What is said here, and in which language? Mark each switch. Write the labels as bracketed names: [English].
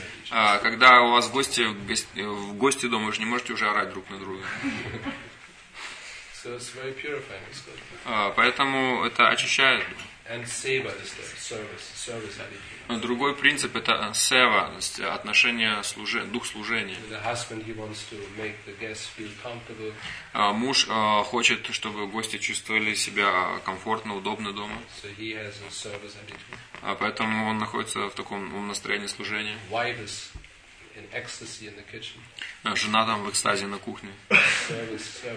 [Russian] Когда у вас гости, в гости дома, вы же не можете уже орать друг на друга. [English] So it's very purifying. It's good. [Russian] Поэтому это очищает. [English] And seva is the service attitude. [Russian] Другой принцип это сева, отношение дух служения. [English] The husband he wants to make the guests feel comfortable. [Russian] Муж хочет, чтобы гости чувствовали себя комфортно, удобно дома. [English] So he has a service attitude. [Russian] Поэтому он находится в таком настроении служения. [English] Wife is in ecstasy in the kitchen. [Russian] Жена там в экстазе на кухне. [English] Service.